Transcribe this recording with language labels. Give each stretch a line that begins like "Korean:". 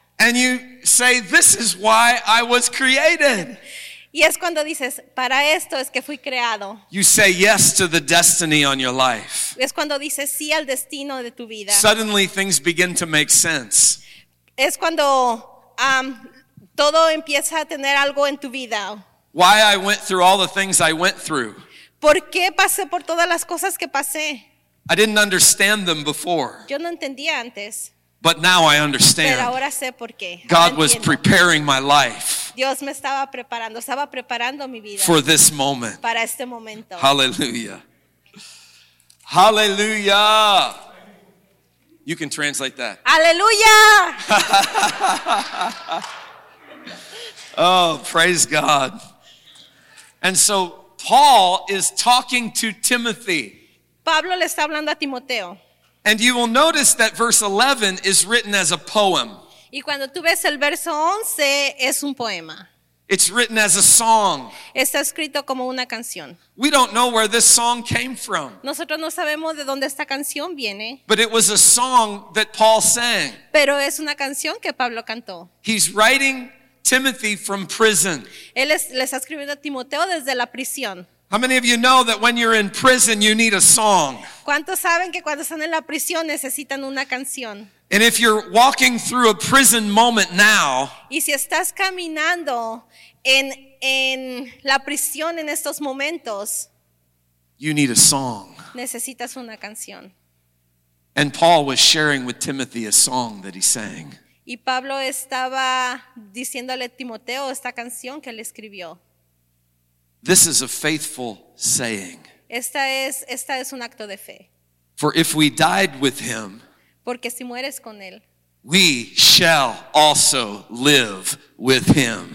English: And you say, this is why I was created.
Spanish: Y es cuando dices, para esto es que fui creado.
English: You say yes to the destiny on your life.
Spanish: Es cuando dices sí al destino de tu vida.
English: Suddenly things begin to make sense.
Spanish: Es cuando todo empieza a tener algo en tu vida.
English: Why I went through all the things I went through.
Spanish: ¿Por qué pasé por todas las cosas que pasé?
English: I didn't understand them before.
Spanish: Yo no entendía antes.
English: But now I understand.
Spanish: Pero ahora sé por qué.
English: God was preparing my life.
Spanish: Dios me estaba preparando mi vida.
English: For this moment.
Spanish: Para este momento.
English: Hallelujah. Hallelujah. You can translate that.
Spanish: Hallelujah.
English: Oh, praise God. And so Paul is talking to Timothy.
Spanish: Pablo le está hablando a Timoteo.
English: And you will notice that verse 11 is written as a poem.
Spanish: Y cuando tú ves el verso 11, es un poema.
English: It's written as a song.
Spanish: Está escrito como una canción.
English: We don't know where this song came from.
Spanish: Nosotros no sabemos de dónde esta canción viene.
English: But it was a song that Paul sang.
Spanish: Pero es una canción que Pablo cantó.
English: He's writing Timothy from prison.
Spanish: Él le está escribiendo a Timoteo desde la prisión.
English: How many of you know that when you're in prison, you need a song?
Spanish: ¿Cuántos saben que cuando están en la prisión necesitan una canción?
English: And if you're walking through a prison moment now,
Spanish: y si estás caminando en la prisión en estos momentos,
English: you need a song.
Spanish: Necesitas una canción.
English: And Paul was sharing with Timothy a song that he sang.
Spanish: Y Pablo estaba diciéndole a Timoteo esta canción que él escribió.
English: This is a faithful saying.
Spanish: Esta es un acto de fe.
English: For if we died with him,
Spanish: porque si mueres con él,
English: we shall also live with him.